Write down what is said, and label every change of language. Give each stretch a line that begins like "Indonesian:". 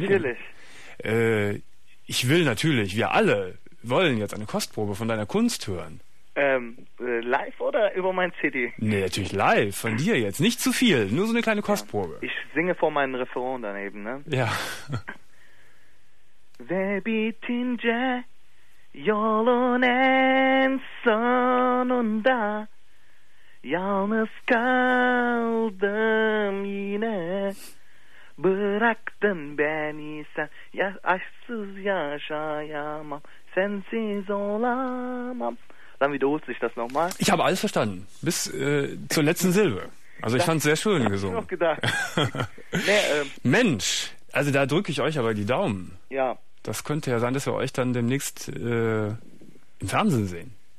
German: natürlich, Leben. Natürlich. Ich will natürlich, wir alle wollen jetzt eine Kostprobe von deiner Kunst hören. Live oder über mein CD? Nee, natürlich live, von dir jetzt. Nicht zu viel, nur so eine kleine Kostprobe. Ich singe vor meinem Referent daneben, ne? Ja.
Turkish: Baby Tinge, yolunen sonunda, yalnız kaldım yine, bıraktın beni sen, ya aşksız yaşayamam, sensiz olamam.
German: Dann wiederholt sich das nochmal. Ich habe alles verstanden, bis zur letzten Silbe. Also ich fand es sehr schön gesungen. Ich hab's auch gedacht. Nee, Mensch, also da drücke ich euch aber die Daumen. Ja. Das könnte ja sein, dass wir euch dann demnächst im Fernsehen sehen.